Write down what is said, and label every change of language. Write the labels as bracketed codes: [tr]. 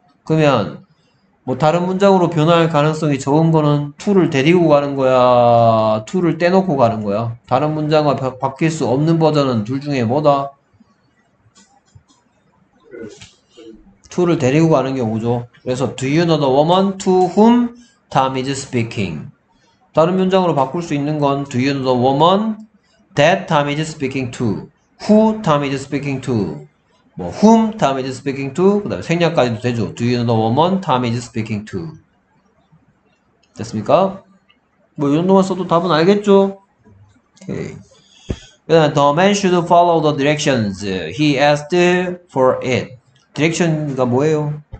[ko] 그러면 뭐 다른 문장으로 변화할 가능성이 적은 거는 to를 데리고 가는 거야, to를 떼놓고 가는 거야. 다른 문장과 바뀔 수 없는 버전은 둘 중에 뭐다? to를 데리고 가는 경우죠. 그래서 [en] do you know the woman to whom Tom is speaking? [ko] 다른 문장으로 바꿀 수 있는 건 [en] do you know the woman that Tom is speaking to? who Tom is speaking to? 뭐, whom Tom is speaking to? [ko] 그 다음에 생략까지도 되죠. [en] Do you know the woman Tom is speaking to? [ko] 됐습니까? 뭐, 이 정도만 써도 답은 알겠죠? 오케이. [en] Okay. The man should follow the directions. He asked for it. Direction가 [ko] 뭐예요?